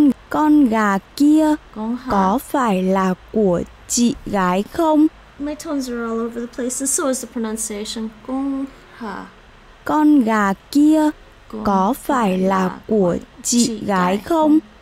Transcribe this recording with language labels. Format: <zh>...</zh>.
<vi>Con gà kia có phải là của chị gái không?</vi> <en>My tones are all over the place, and so is the pronunciation.</en> <vi>Con gà. Con gà kia có phải là của chị gái không?</vi>